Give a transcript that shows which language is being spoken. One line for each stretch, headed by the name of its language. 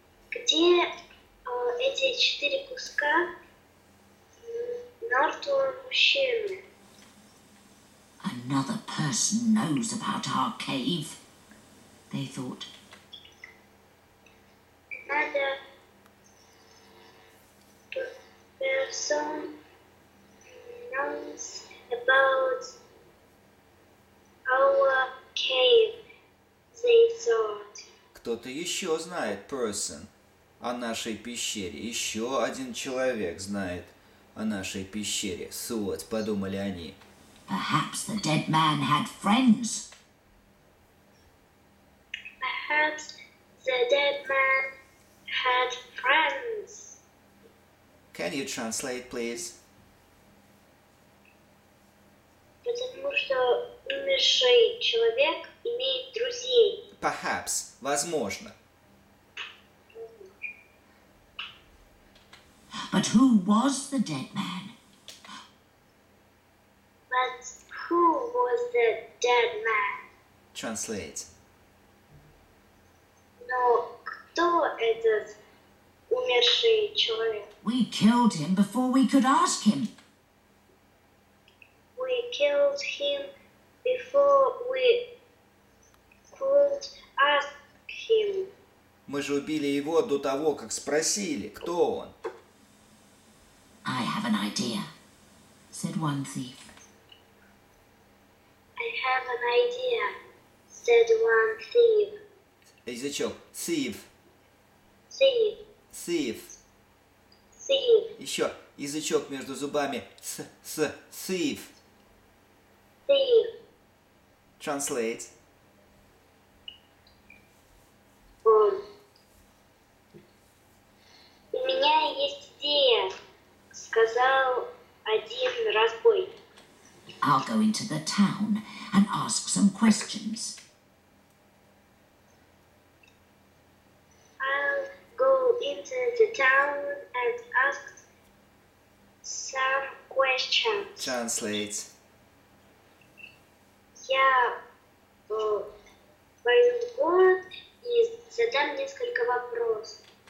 Russian: Где эти четыре куска мертвого мужчины?
English: Another person knows about our cave, they thought. Another person knows about our cave, they thought.
Russian: Кто-то еще знает, person. О нашей пещере. Еще один человек знает о нашей пещере. Суот, подумали они.
English: Perhaps the dead man had friends. Perhaps the dead man had friends. Can you translate, please?
Russian: Потому что умерший человек имеет друзей.
English: Perhaps.
Russian: Возможно.
English: But who was the dead man? But who was the dead man? Translate.
Russian: No, кто этот умерший человек?
English: We killed him before we could ask him. We killed him before we could ask him.
Russian: Мы же убили его до того, как спросили, кто он.
English: I have an idea, said one thief. I have an idea, said one thief.
Russian: Язычок. Thief.
English: Thief. Thief. Thief.
Russian: Еще язычок между зубами.
English: С. Thief. Thief. Translate.
Russian: У меня есть идея. Сказал один разбойник.
English: I'll go into the town and ask some questions. I'll go into the town and ask some questions. Translate.
Russian: Я пойду в город и задам несколько вопросов.